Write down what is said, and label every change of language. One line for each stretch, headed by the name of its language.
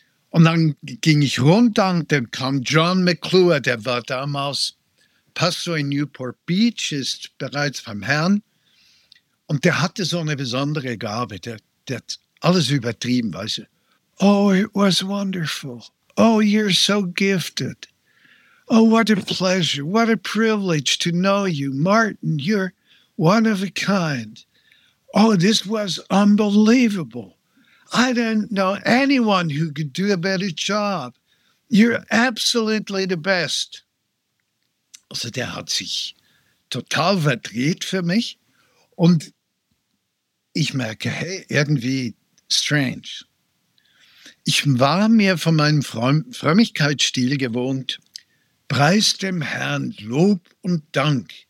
German: Und dann ging ich runter und dann kam John McClure, der war damals Pastor in Newport Beach, ist bereits beim Herrn. Und der hatte so eine besondere Gabe, der hat alles übertrieben, weißt du.
English: Oh, it was wonderful. Oh, you're so gifted. Oh, what a pleasure, what a privilege to know you. Martin, you're one of a kind. Oh, this was unbelievable. I don't know anyone who could do a better job. You're absolutely the best.
German: Also der hat sich total verdreht für mich. Und ich merke, hey, irgendwie strange. Ich war mir von meinem Frömmigkeitsstil gewohnt, preis dem Herrn Lob und Dank.